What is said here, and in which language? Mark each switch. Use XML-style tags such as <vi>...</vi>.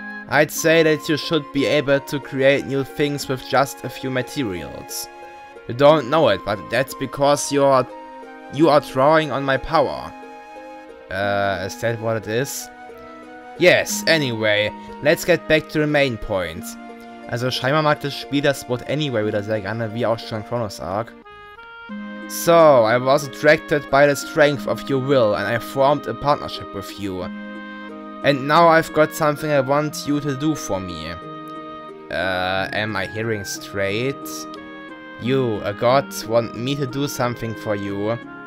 <en>I'd say that you should be able to create new things with just a few materials. You don't know it, but that's because you are drawing on my power. Is that what it is? Yes, anyway, let's get back to the main point.</en> <de>Also scheinbar mag das Spiel das Wort anyway wieder sehr gerne, wie auch schon Chronos Arc.</de> <en>So, I was attracted by the strength of your will and I formed a partnership with you. And now I've got something I want you to do for me. Am I hearing straight? You, a god, want me to do something for you?</en>